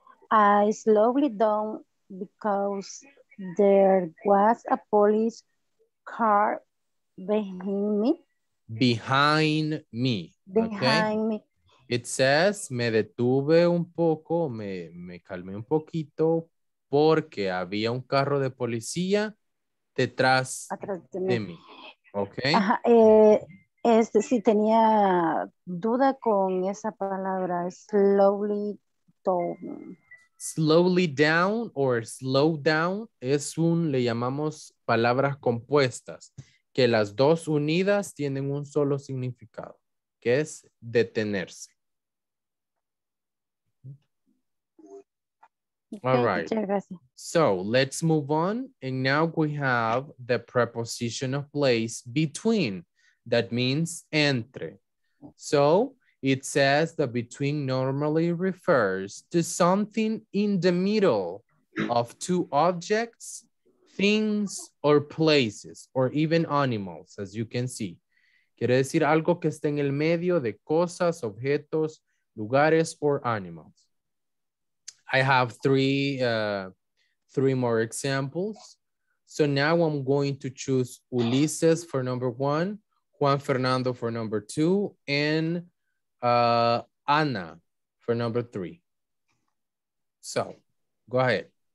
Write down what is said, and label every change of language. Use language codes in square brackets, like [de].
[en] I slowly down because there was a police car behind me. Behind me. Behind okay. Me. [es] It says, me detuve un poco, me calmé un poquito porque había un carro de policía detrás de mí. [en] Okay. [es] Ajá, sí, tenía duda con esa palabra, slowly down. [en] Slowly down or slow down [es] es un, le llamamos palabras compuestas, que las dos unidas tienen un solo significado, que es detenerse. [en] Okay, all right. So let's move on. And now we have the preposition of place between, that means entre. So it says that between normally refers to something in the middle of two objects, things, or places, or even animals, as you can see. [es] Quiere decir algo que está en el medio de cosas, objetos, lugares, [en] or animals. I have three more examples. So now I'm going to choose Ulises for number one, Juan Fernando for number two, and Anna for number three. So, go ahead.